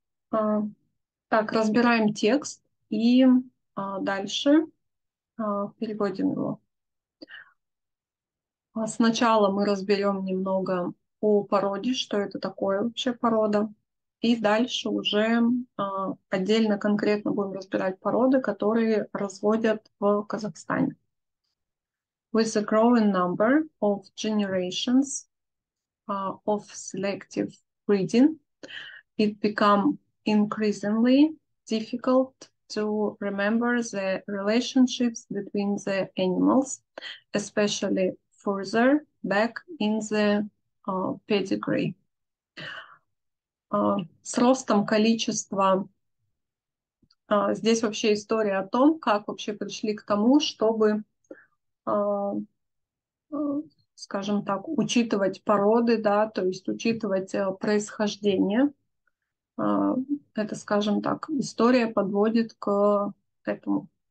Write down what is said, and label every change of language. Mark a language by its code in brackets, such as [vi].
[ru] Так, разбираем текст и дальше переводим его. Сначала мы разберем немного о породе, что это такое вообще порода. И дальше уже отдельно конкретно будем разбирать породы, которые разводят в Казахстане. [en] With a growing number of generations of selective breeding, it become increasingly difficult to remember the relationships between the animals, especially further back in the pedigree. [ru] С ростом количества... здесь вообще история о том, как вообще пришли к тому, чтобы, скажем так, учитывать породы, да, то есть учитывать происхождение. Это, скажем так, история подводит к этому.